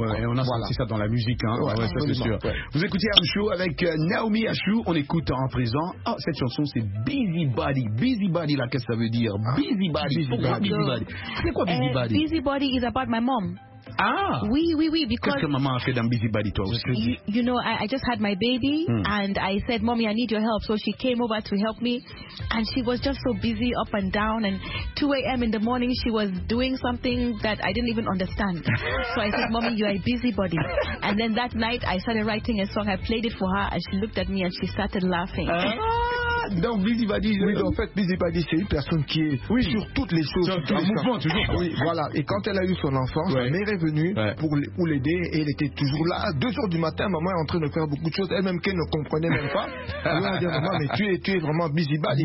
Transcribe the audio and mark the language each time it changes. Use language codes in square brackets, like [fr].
[fr] Ouais, on a senti ça dans la musique, hein. Ouais, ça, c'est sûr. Ouais. Vous écoutez un show avec Naomi Achou, on écoute en présent. Oh, cette chanson, c'est Busybody. Busybody, là, qu'est-ce que ça veut dire? Busybody. Busybody. C'est quoi Busybody? [en] Busybody is about my mom. Ah! [fr] Oui, because... Qu'est-ce que maman a fait dans Busybody, toi aussi? [en] You know, I just had my baby, and I said, Mommy, I need your help. So she came over to help me, and she was just so busy up and down, and 2 a.m. in the morning, she was doing something that I didn't even understand. So I said, Mommy, you are a busybody. And then that night, I started writing a song. I played it for her, and she looked at me, and she started laughing. [fr] Donc Busybody, Busybody, c'est une personne qui est sur toutes les choses. C'est un mouvement, toujours. Oui, voilà. Et quand elle a eu son enfant, sa mère est venue pour l'aider, et elle était toujours là. 2h du matin, maman est en train de faire beaucoup de choses, elle-même qu'elle ne comprenait même pas. Elle a dit, maman, mais tu es vraiment Busybody.